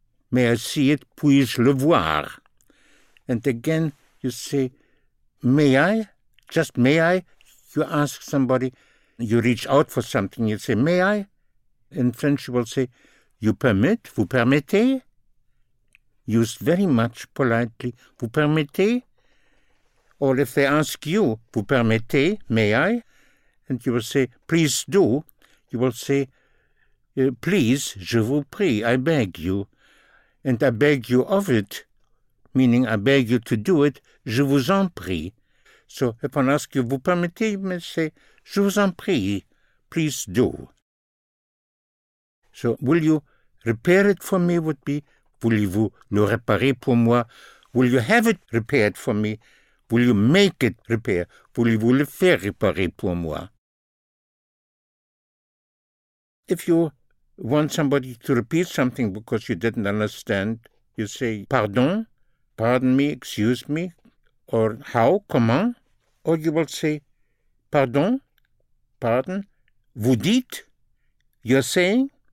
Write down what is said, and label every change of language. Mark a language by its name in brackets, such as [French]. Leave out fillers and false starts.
[English] May I see it, [French] puis-je le voir? [English] And again, you say, may I? Just may I? You ask somebody, you reach out for something, you say, may I? In French, you will say, you permit, [French] vous permettez? [English] Used very much politely, [French] vous permettez? [English] Or if they ask you, vous permettez, may I? And you will say, please do. You will say, please, [French] je vous prie, [English] I beg you. And I beg you of it, meaning I beg you to do it, [French] je vous en prie. [English] So if I ask you, [French] vous permettez, [English] you may say, [French] je vous en prie, [English] please do. So will you repair it for me would be, [French] voulez-vous le réparer pour moi? [English] Will you have it repaired for me? Will you make it repair? [French] Voulez-vous le faire réparer pour moi? [English] If you want somebody to repeat something because you didn't understand, you say, pardon, pardon me, excuse me, or how, comment? Or you will say, pardon, pardon, [French] vous dites, [English] you're saying?